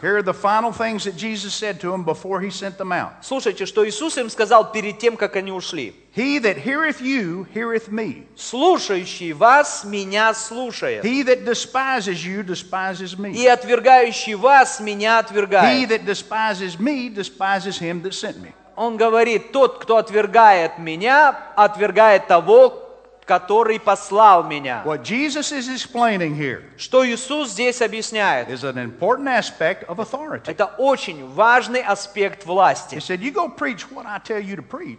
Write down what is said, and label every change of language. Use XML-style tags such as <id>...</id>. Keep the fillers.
<ru>Слушайте, что Иисус им сказал перед тем, как они ушли.</ru> <en>He that heareth you heareth me.</en> <ru>Слушающий вас меня слушает.</ru> <en>He that despises you despises me.</en> <ru>И отвергающий вас меня отвергает.</ru> <en>He that despises me despises him that sent me.</en> <ru>Он говорит, тот, кто отвергает меня, отвергает того, который послал меня.</ru> <en>What Jesus is explaining here,</en> <ru>что Иисус здесь объясняет, это очень важный аспект власти.</ru>